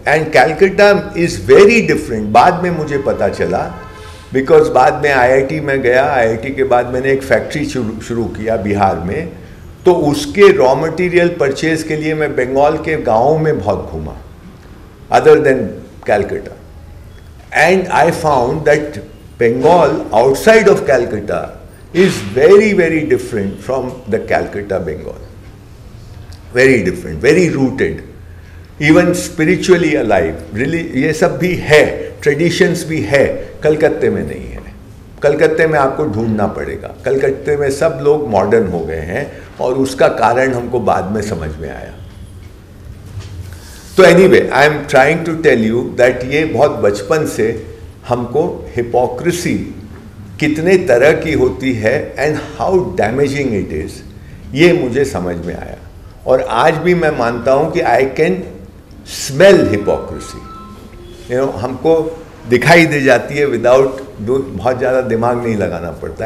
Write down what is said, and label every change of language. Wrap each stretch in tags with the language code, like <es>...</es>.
<en>And Calcutta is very different.</en> <hi>बाद में मुझे पता चला, बिकॉज बाद में IIT में गया, IIT के बाद मैंने एक फैक्ट्री शुरू किया बिहार में, तो उसके रॉ मटेरियल परचेज के लिए मैं बंगाल के गाँव में बहुत घूमा other than Calcutta.</hi> <en>And I found that Bengal outside of Calcutta is very very different from the Calcutta Bengal. Very different, very rooted, even spiritually alive.</en> <hi>Really, ये सब भी है, traditions भी है, कलकत्ते में नहीं है. कलकत्ते में आपको ढूंढना पड़ेगा. कलकत्ते में सब लोग modern हो गए हैं, और उसका कारण हमको बाद में समझ में आया.</hi> <en>तो anyway, I am trying to tell you that</en> <hi>ये बहुत बचपन से हमको हिपोक्रेसी कितने तरह की होती है</hi> <en>and how damaging it is,</en> <hi>ये मुझे समझ में आया. और आज भी मैं मानता हूँ कि</hi> <en>I can smell hypocrisy.</en> <hi>हमको दिखाई दे जाती है विदाउट बहुत ज़्यादा दिमाग नहीं लगाना पड़ता.</hi>